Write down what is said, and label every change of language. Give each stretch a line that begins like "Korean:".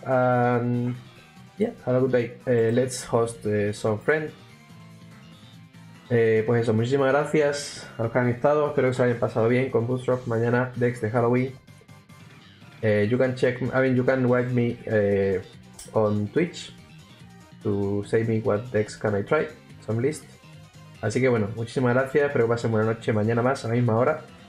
English: And yeah, have a good day. Let's host some friend.
Spanish: Pues eso, muchísimas gracias a los que han estado. Espero que se hayan pasado bien con Bootstrap. Mañana, Dex de Halloween.
English: You can check, I mean, you can write me on Twitch to say me what decks can I try. Some list.
Spanish: Así que bueno, muchísimas gracias. Espero que pasen buena noche mañana más, a la misma hora.